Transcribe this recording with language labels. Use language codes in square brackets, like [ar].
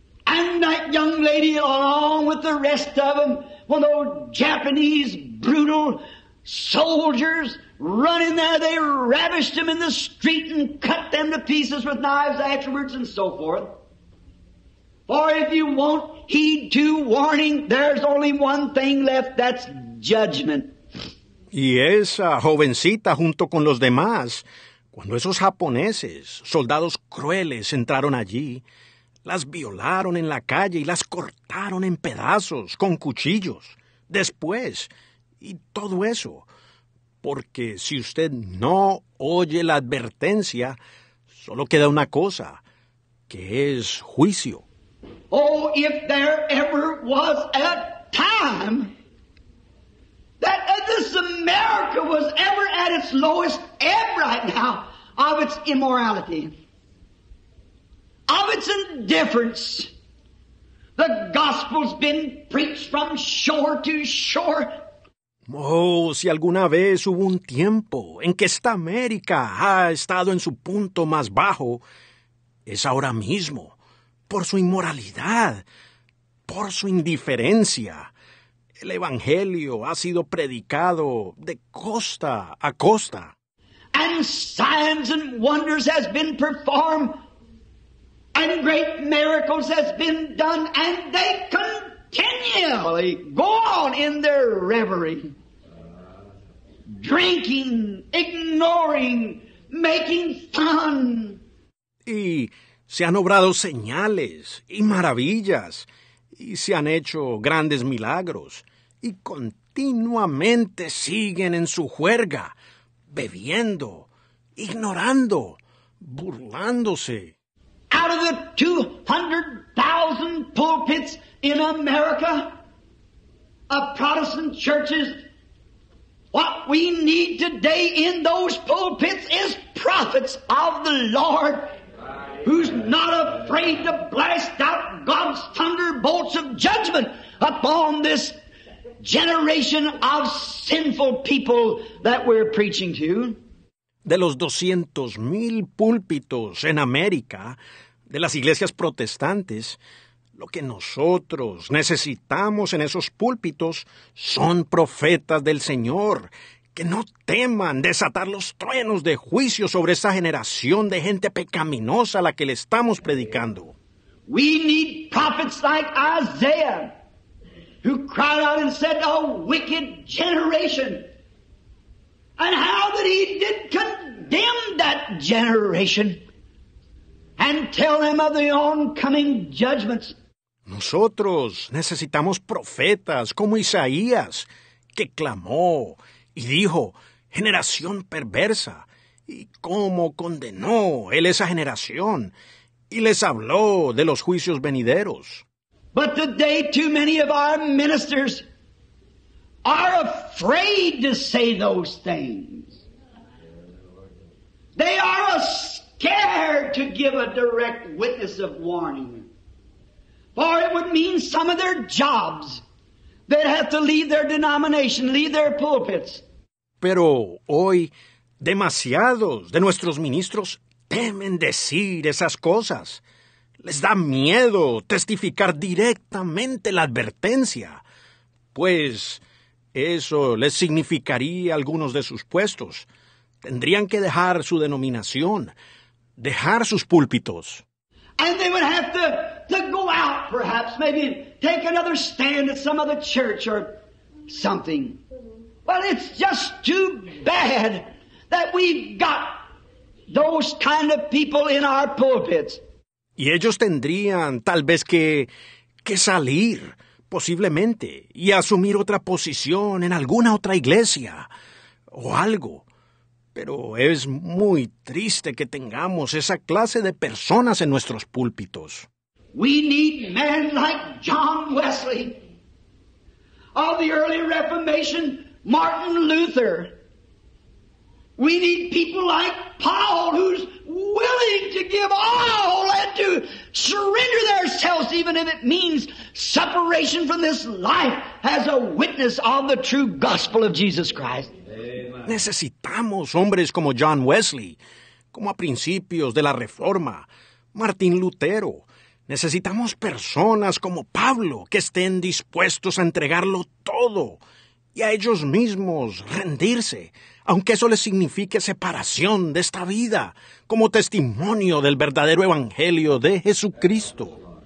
[en] And that young lady, along with the rest of them, one of those Japanese brutal soldiers, running there, they ravished them in the street and cut them to pieces with knives afterwards and so forth. For if you won't heed to warning, there's only one thing left, that's judgment. [es] Y esa jovencita junto con los demás, cuando esos japoneses, soldados crueles, entraron allí, las violaron en la calle y las cortaron en pedazos con cuchillos. Después, y todo eso, porque si usted no oye la advertencia, solo queda una cosa, que es juicio. [en] Oh, if there ever was a time that this America was ever at its lowest ebb right now of its immorality, of its indifference. The gospel's been preached from shore to shore. [es] Oh, si alguna vez hubo un tiempo en que esta América ha estado en su punto más bajo, es ahora mismo, por su inmoralidad, por su indiferencia. El evangelio ha sido predicado de costa a costa. [en] And signs and wonders has been performed, and great miracles has been done, and they continually go on in their reverie, drinking, ignoring, making fun. [es] y se han obrado señales y maravillas, y se han hecho grandes milagros, y continuamente siguen en su juerga, bebiendo, ignorando, burlándose. [en] Out of the 200,000 pulpits in America, of Protestant churches, what we need today in those pulpits is prophets of the Lord, who's not afraid to blast out God's thunderbolts of judgment upon this generation of sinful people that we're preaching to. [es] De los 200,000 púlpitos en América, de las iglesias protestantes, lo que nosotros necesitamos en esos púlpitos son profetas del Señor que no teman desatar los truenos de juicio sobre esa generación de gente pecaminosa a la que le estamos predicando. [en] We need prophets like Isaiah, who cried out and said, "A wicked generation." And how that he did condemn that generation and tell them of the oncoming judgments. [es] Nosotros necesitamos profetas como Isaías, que clamó y dijo, generación perversa, y cómo condenó él esa generación, y les habló de los juicios venideros. [en] But today too many of our ministers are afraid to say those things. They are scared to give a direct witness of warning. For it would mean some of their jobs. They'd have to leave their denomination, leave their pulpits. [es] Pero hoy, demasiados de nuestros ministros temen decir esas cosas. Les da miedo testificar directamente la advertencia. Pues eso les significaría algunos de sus puestos. Tendrían que dejar su denominación, dejar sus púlpitos. [en] And they would have to go out, perhaps, maybe take another stand at some other church or something. Well, it's just too bad that we've got those kind of people in our pulpits. [es] Y ellos tendrían tal vez que salir, posiblemente, y asumir otra posición en alguna otra iglesia o algo. Pero es muy triste que tengamos esa clase de personas en nuestros púlpitos. [en] We need men like John Wesley, of the early Reformation, Martin Luther. We need people like Paul, who's willing to give all and to surrender themselves, even if it means separation from this life, as a witness of the true gospel of Jesus Christ. [es] Necesitamos hombres como John Wesley, como a principios de la Reforma, Martín Lutero. Necesitamos personas como Pablo que estén dispuestos a entregarlo todo y a ellos mismos rendirse, aunque eso les signifique separación de esta vida, como testimonio del verdadero evangelio de Jesucristo.